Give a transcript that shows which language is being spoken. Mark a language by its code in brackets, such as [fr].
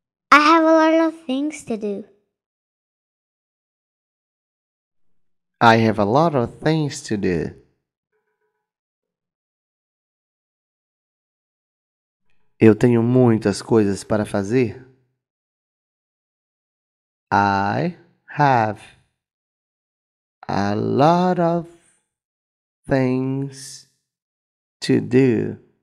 [en] I have a lot of things to do. I have a lot of things to do. [pt] Eu tenho muitas coisas para fazer. [en] I have a lot of things to do.